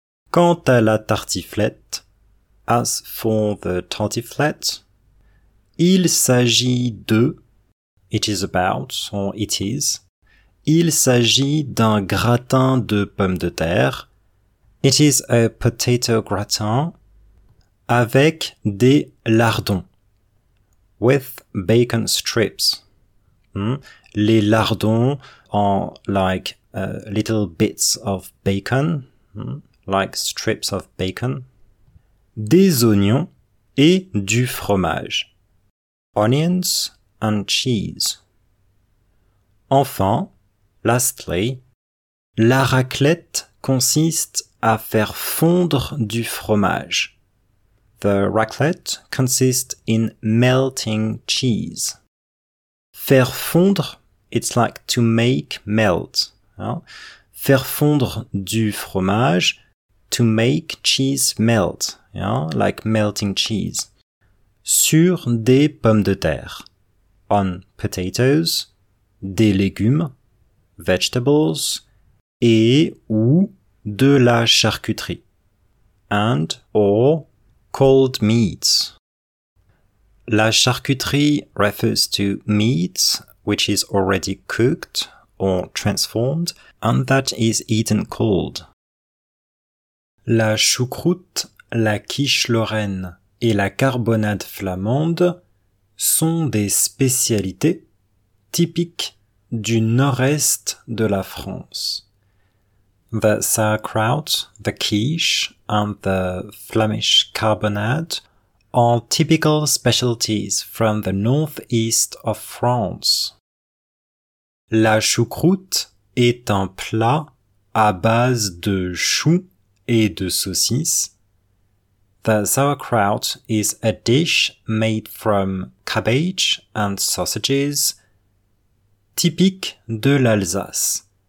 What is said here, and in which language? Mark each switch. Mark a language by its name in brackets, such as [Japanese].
[French] Quant à la tartiflette, [English] as for the tartiflette, [French] il s'agit de, [English] it is about, or it is, [French] il s'agit d'un gratin de pommes de terre, [English] it is a potato gratin, [French] avec des lardons, [English] with bacon strips. Les lardons are like little bits of bacon, like strips of bacon. [French] Des oignons et du fromage. [English] Onions and cheese. [French] Enfin, [English] lastly, [French] la raclette consiste à faire fondre du fromage. [English] The raclette consists in melting cheese. Faire fondre, it's like to make melt. [French] Hein? Faire fondre du fromage, [English] to make cheese melt, [French] hein? [English] Like melting cheese. [French] Sur des pommes de terre, [English] on potatoes, [French] des légumes, vegetables, et ou de la charcuterie, [English] and or cold meats. La charcuterie refers to meat, which is already cooked or transformed, and that is eaten cold. [French] La choucroute, la quiche lorraine et la carbonade flamande sont des spécialités typiques du nord-est de la France. [English] The sauerkraut, the quiche, and the Flemish carbonade are typical specialties from the northeast of France. [French] La choucroute est un plat à base de choux et de saucisses. [English] The sauerkraut is a dish made from cabbage and sausages, [French] typique de l'Alsace.